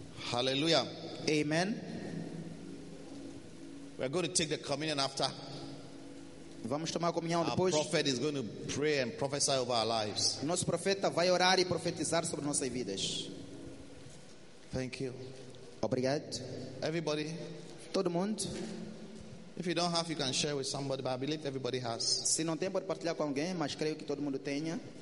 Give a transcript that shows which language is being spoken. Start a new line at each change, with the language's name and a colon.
English: Hallelujah. Amen. We're going to take the communion after.
Portuguese: Vamos tomar comunhão depois.
English: Our prophet is going to pray and prophesy over our lives.
Portuguese: Nosso profeta vai orar e profetizar sobre nossas vidas.
English: Thank you.
Portuguese: Obrigado.
English: Everybody.
Portuguese: Todo mundo.
English: If you don't have, you can share with somebody, but I believe everybody has.
Portuguese: Se não tem, pode partilhar com alguém, mas creio que todo mundo tenha.